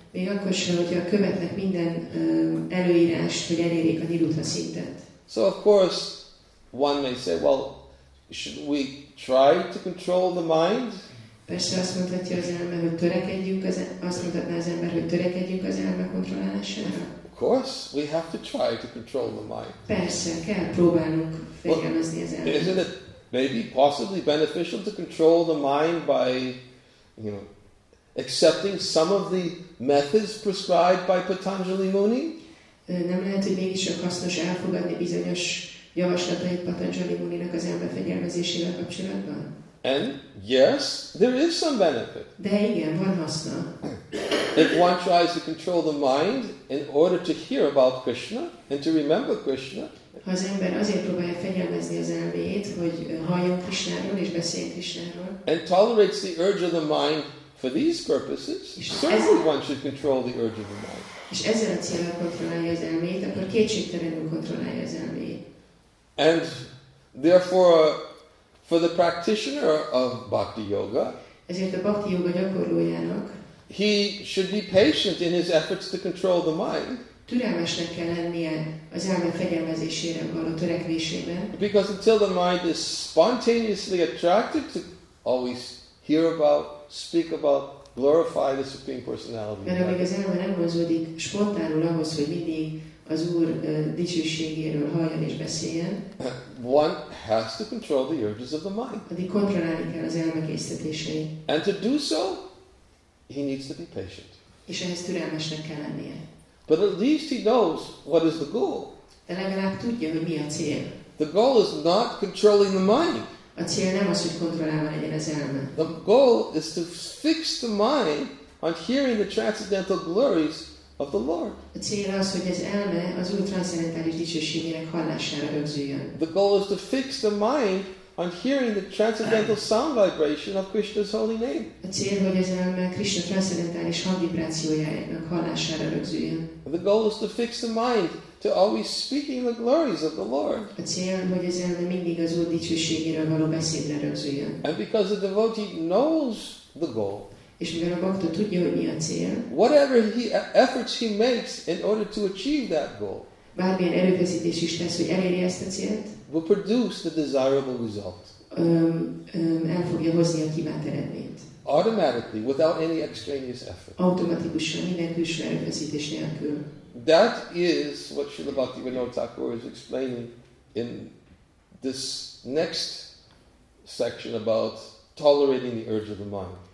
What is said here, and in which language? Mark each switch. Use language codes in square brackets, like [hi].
[hu] Még akkor sem, hogyha követnek minden előírást, hogy elérjék a Nirudha szintet. [en] So of course, one may say, well, should we try to control the mind? [hu] Persze azt mondhatja az elme, hogy törekedjünk az, azt mondhatná az ember, hogy törekedjünk az elme kontrollálására. [en] Of course, we have to try to control the mind. [hu] Persze, kell próbálnunk fegyelmezni az elmét. [en] Isn't it maybe possibly beneficial to control the mind by, you know, accepting some of the methods prescribed by Patanjali Muni? [hu] Nem lehet, hogy mégis csak hasznos elfogadni bizonyos javaslatait Patanjali Muninak az elme fegyelmezésével kapcsolatban? [en] And yes, there is some benefit. [hu] De igen, van haszna. [en] If one tries to control the mind in order to hear about Krishna and to remember Krishna, [hu] ha az ember azért próbálja fegyelmezni az elmét, hogy halljon Krishnáról és beszéljen Krishnáról, [en] and tolerates the urge of the mind for these purposes, certainly one should control the urge of the mind. [hu] És ezzel a célra kontrollálja az elmét, akkor kétségtelenül kontrollálja az elmét. [en] And therefore, for the practitioner of bhakti yoga, [hu] ezért a bhakti yoga gyakorlójának, [en] he should be patient in his efforts to control the mind. [hu] Türelmesnek kell lennie az elme fegyelmezésére való törekvésében. [en] Because until the mind is spontaneously attracted to always hear about, speak about, glorify the Supreme Personality. [hu] Mert amíg az elme nem vonzódik spontánul ahhoz, hogy mindig az Úr dicsőségéről halljon és beszéljen, [en] one has to control the urges of the mind. [hu] Addig kontrollálni kell az elme késztetéseit. [en] And to do so, he needs to be patient. [hu] És ehhez türelmesnek kell lennie. [en] But at least he knows what is the goal. [hu] De legalább tudja, hogy mi a cél. [en] The goal is not controlling the mind. [hu] A cél nem az, hogy kontrollálva legyen az elme. [en] The goal is to fix the mind on hearing the transcendental glories of the Lord. [hu] A cél az, hogy az elme az Úr transzcendentális dicsőségének hallására rögzüljön. [en] The goal is to fix the mind on hearing the transcendental sound vibration of Krishna's holy name. [hu] A cél, hogy az elme Krishna transzcendentális hangvibrációjának hallására rögzüljön. [en] The goal is to fix the mind to always speaking the glories of the Lord. [hu] A cél, hogy az elme mindig az Úr dicsőségéről való beszédre rögzüljön. [en] And because the devotee knows the goal, [hu] és mivel a bhakta tudja, hogy mi a cél, [en] whatever he efforts he makes in order to achieve that goal, [hu] bármilyen erőfeszítés is tesz, hogy eléri ezt a célt, [en] will produce the desirable result. [hu] El fogja hozni a kívánt eredményt. [en] Automatically, without any extraneous effort. [hu] Automatikusan, minden külső erőfeszítés nélkül. [en] That is what Srila Bhaktivinoda Thakur is explaining in this next section about tolerating the urge of the mind.